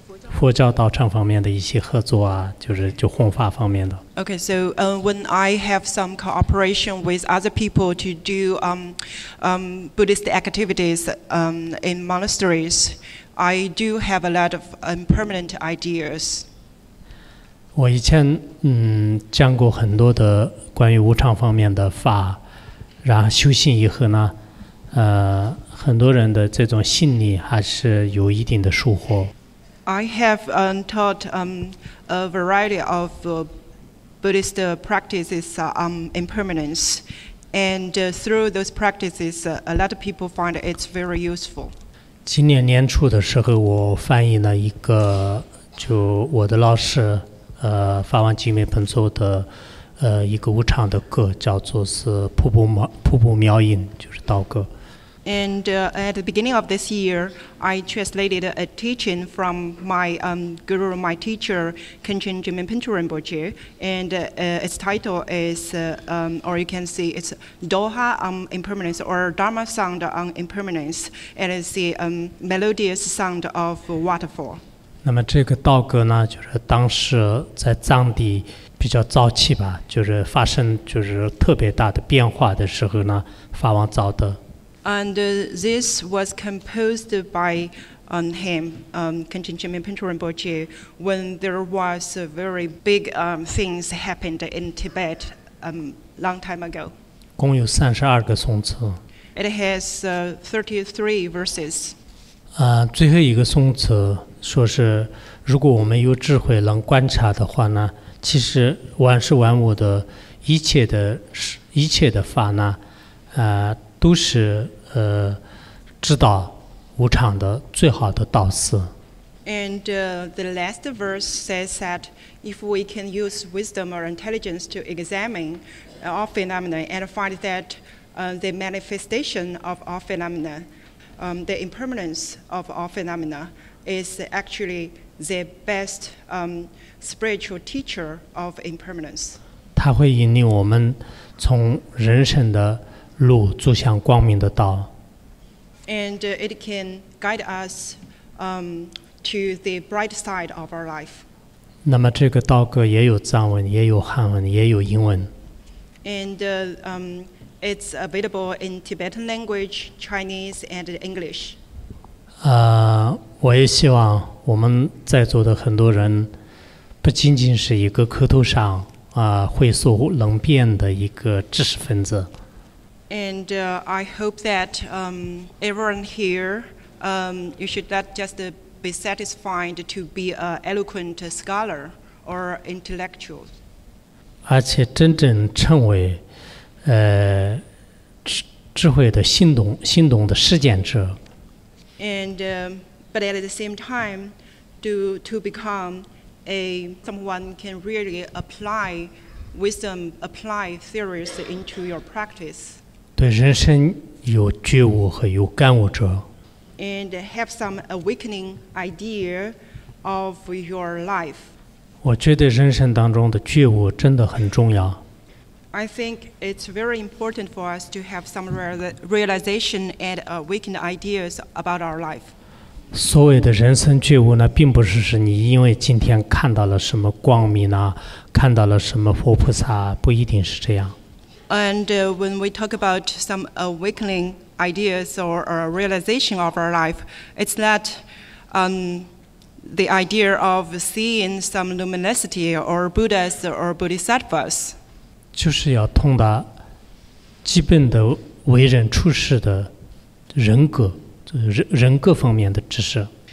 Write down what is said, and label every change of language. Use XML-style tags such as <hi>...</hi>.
<zh>佛教道场方面的一些合作啊，就弘法方面的。</zh> <en>Okay, so when I have some cooperation with other people to do Buddhist activities in monasteries, I do have a lot of impermanent ideas.</en> <zh>我以前讲过很多的关于无常方面的法，然后修行以后呢，很多人的这种心理还是有一定的收获。</zh> <en>I have taught a variety of Buddhist practices on impermanence, and through those practices, a lot of people find it's very useful.</en> <zh>今年年初的时候，我翻译了一个，就我的老师，法王吉美彭措的，一个无常的歌，叫做是瀑布妙音，就是道歌。</zh> <en>And at the beginning of this year, I translated a teaching from my teacher, Kenchen Jimin Pintu Rinpoche, and its title is, or you can see, it's Doha on Impermanence, or Dharma Sound on Impermanence, and it's the melodious sound of waterfall.</en> <zh>那么这个道歌呢，就是当时在藏地比较早期吧，就是发生就是特别大的变化的时候呢，法王造的。</zh> <en>And this was composed by him, Kenchen Jimin Pintu Rinpoche, when there was very big things happened in Tibet long time ago.</en> <zh>共有32个颂词。</zh> <en>It has 33 verses.</en> <zh>最后一个颂词说是，如果我们有智慧能观察的话呢，其实万事万物的一切的法呢，都是知道无常的最好的导师。</zh> <en>And the last verse says that if we can use wisdom or intelligence to examine all phenomena and find that the manifestation of all phenomena, the impermanence of all phenomena, is actually the best spiritual teacher of impermanence.</en> <zh>它会引领我们从人生的路走向光明的道。</zh> <en>And it can guide us to the bright side of our life.</en> <zh>那么这个道歌也有藏文，也有汉文，也有英文。</zh> <en>And it's available in Tibetan language, Chinese, and English.</en> <zh>我也希望我们在座的很多人，不仅仅是一个口头上会说能辩的一个知识分子。</zh> <en>And I hope that everyone here, you should not just be satisfied to be an eloquent scholar or intellectual.</en> <zh>而且真正成为智慧的行动的实践者。</zh> <en>And but at the same time, to become someone can really apply wisdom, apply theories into your practice.</en> <zh>对人生有觉悟和有感悟者</zh> <en>，and have some awakening idea of your life。</en> <zh>我觉得人生当中的觉悟真的很重要。</zh> <en>I think it's very important for us to have some realization and awakened ideas about our life.</en> <zh>所谓的人生觉悟呢，并不是是你因为今天看到了什么光明啊，看到了什么佛菩萨，不一定是这样。</zh> <en>And when we talk about some awakening ideas or a realization of our life, it's not the idea of seeing some luminosity or Buddhas or Bodhisattvas.</en> <zh>就是要通达基本的为人处事的人格，人格方面的知识。</zh>